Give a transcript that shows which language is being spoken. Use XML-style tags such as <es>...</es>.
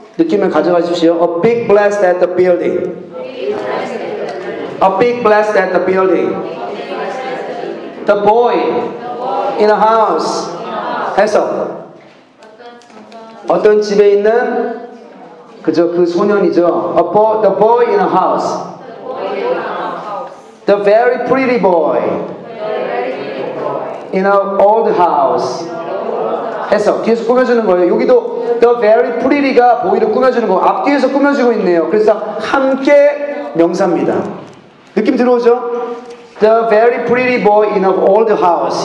<ko>느낌을 가져가십시오.</ko> <en>A big blast at the building. A big blast at the building. The boy in a house.</en> <ko>해서 어떤 집에 있는 그저 그 소년이죠.</ko> <en>The boy in a house. The very pretty boy in an old house.</en> <ko>해석. 뒤에서 꾸며주는 거예요. 여기도</ko> <en>the very pretty</en> <ko>가 보이를 꾸며주는 거. 앞뒤에서 꾸며주고 있네요. 그래서 함께 명사입니다. 느낌 들어오죠?</ko> <en>The very pretty boy in an old house.</en>